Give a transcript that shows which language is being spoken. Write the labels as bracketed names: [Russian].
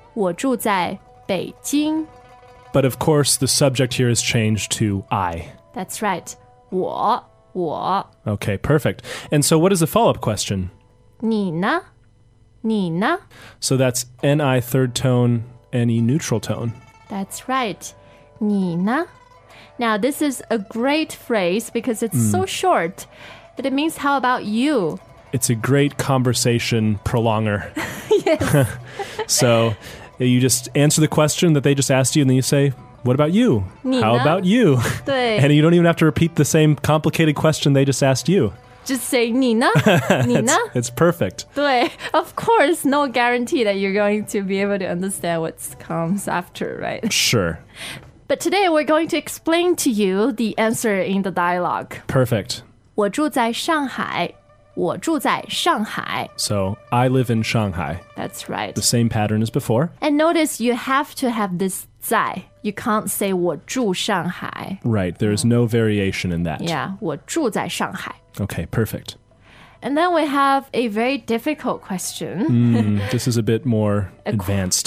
[Chinese] 我住在北京。我住在北京。 [English] But of course, the subject here has changed to I. That's right. [Chinese] 我。 [English] Okay, perfect. And so what is the follow-up question? [Chinese] 你呢?你呢? [English] So that's N-I third tone, N-E neutral tone. That's right. [Chinese] 你呢? [English] Now, this is a great phrase because it's so short, but it means, how about you? It's a great conversation prolonger. Yes. So, you just answer the question that they just asked you, and then you say, what about you? [Chinese] 你呢? [English] How about you? [Chinese] 对. [English] And you don't even have to repeat the same complicated question they just asked you. Just say, [Chinese] 你呢?你呢? [English] It's perfect. [Chinese] 对. [English] Of course, no guarantee that you're going to be able to understand what comes after, right? Sure. But today, we're going to explain to you the answer in the dialogue. Perfect. [Chinese] 我住在上海。我住在上海. [English] So, I live in Shanghai. That's right. The same pattern as before. And notice you have to have this 在. You can't say [Chinese] 我住上海. [English] Right, there is no variation in that. Yeah, [Chinese] 我住在上海. [English] Okay, perfect. And then we have a very difficult question. This is a bit more advanced.